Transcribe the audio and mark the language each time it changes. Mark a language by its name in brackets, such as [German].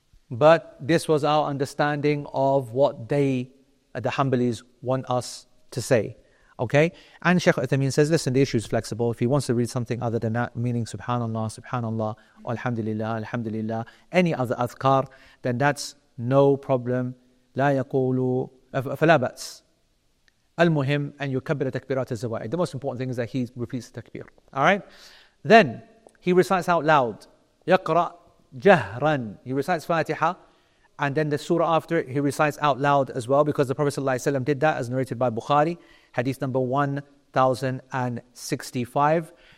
[English] But this was our understanding of what they, the Hanbalis, want us to say. Okay? And Sheikh Uthameen says, listen, the issue is flexible. If he wants to read something other than that, meaning Subhanallah, Subhanallah, Alhamdulillah, Alhamdulillah, any other adhkar, then that's no problem. [Arabic] لا يقولوا فلا بأس. المهم أن يكبر تكبيرات الزوائد. [English] The most important thing is that he repeats the takbir. Alright? Then he recites out loud. [Arabic] يقرأ جهراً. [English] He recites Fatiha, and then the surah after it, he recites out loud as well, because the Prophet ﷺ did that, as narrated by Bukhari, hadith number 1065.